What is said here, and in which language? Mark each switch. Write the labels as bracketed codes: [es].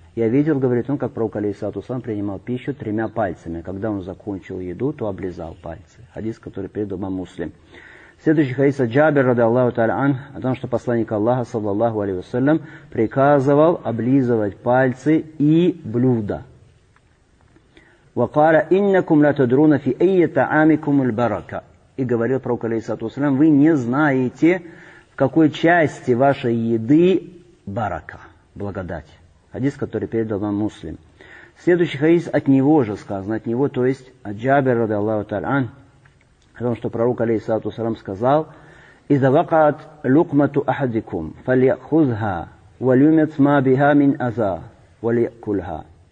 [ru] Я видел, говорит он, как пророк, алейхиссалату ва саллям, принимал пищу тремя пальцами. Когда он закончил еду, то облизал пальцы. Хадис, который передал имам Муслим. Следующий хадис от Джабир, ради Аллаху та'аля ан, о том, что посланник Аллаха, саллаллаху алейхи ва саллям, приказывал облизывать пальцы и блюда. [ar] وقال انكم لا تدرون في اي طعامكم البركه. [ru] И говорил пророк, алейхиссалату вассалям, вы не знаете, в какой части вашей еды барака, благодать. Хадис, который передал вам Муслим. Следующий хадис от него же сказано, от него, то есть от Джабира радиаллаху та'ала ан, о том, что пророк, алейхиссалату вассалям, сказал: [ar] اذا وقعت لقمه احدكم فليأخذها وليمت ما بها من اذى وليأكلها.